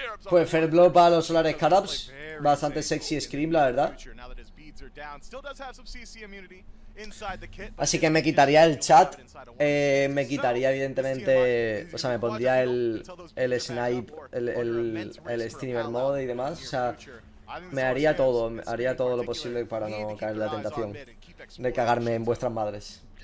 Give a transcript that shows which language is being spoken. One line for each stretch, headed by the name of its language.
Spanish: Pues Fair Blow para los Solar Scarabs. Bastante sexy Scream, la verdad.
English: Ranger down. Still does have some CC immunity inside the kit.
Spanish: Así que me quitaría el chat, me quitaría evidentemente, o sea, me pondría el snipe, el streamer mode y demás, o sea, me haría todo lo posible para no caer en la tentación de cagarme en vuestras madres.